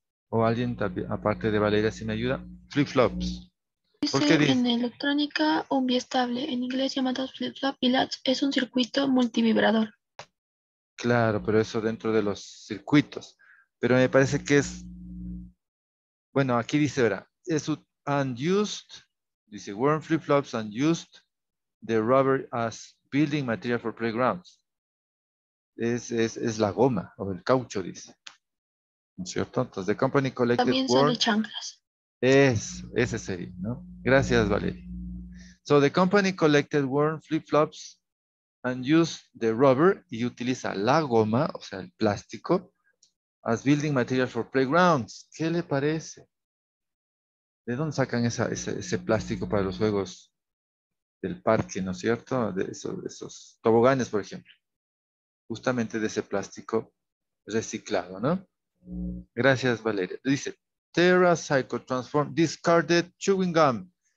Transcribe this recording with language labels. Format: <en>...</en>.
<es>¿O alguien aparte de Valeria si me ayuda?</es> <en>Flip-flops.</en> <es>Dice en electrónica un biestable, en inglés llamado flip-flop, y latch es un circuito multivibrador. Claro, pero eso dentro de los circuitos. Pero me parece que es, bueno, aquí dice, ¿verdad? Es unused, dice worn flip-flops and used the rubber as building material for playgrounds. Es la goma o el caucho, dice. ¿Cierto?</es> <en>Entonces, the company collected</en> <es>también son de chanclas. Ese sería, ¿no? Gracias, Valeria.</es> <en>So, the company collected worn flip-flops and used the rubber, y utiliza la goma, o sea, el plástico, as building material for playgrounds.</en> <es>¿Qué le parece? ¿De dónde sacan ese plástico para los juegos del parque, ¿no es cierto? De esos toboganes, por ejemplo. Justamente de ese plástico reciclado, ¿no? Gracias, Valeria.</es> <en>Dice, TerraCycle transform discarded chewing gum.</en>